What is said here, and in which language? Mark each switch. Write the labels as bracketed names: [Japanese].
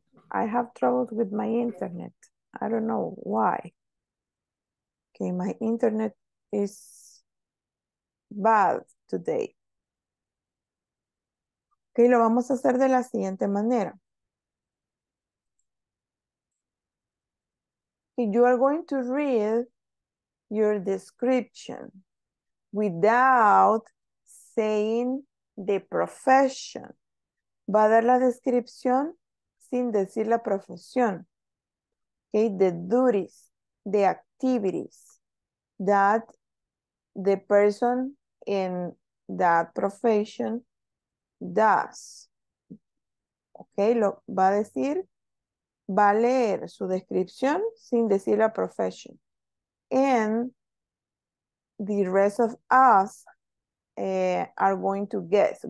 [English] I have troubles with my internet. I don't know why. Okay, my internet is bad today. [Spanish] Okay, lo vamos a hacer de la siguiente manera. [English] You are going to read your description without saying the profession. [Spanish] Va a dar la descripción sin decir la profesión. [English] Okay, the duties, the activities that the person in that profession does. [Spanish] Okay, lo va a decir, va a leer su descripción sin decir la profesión. [English] And the rest of us are going to guess.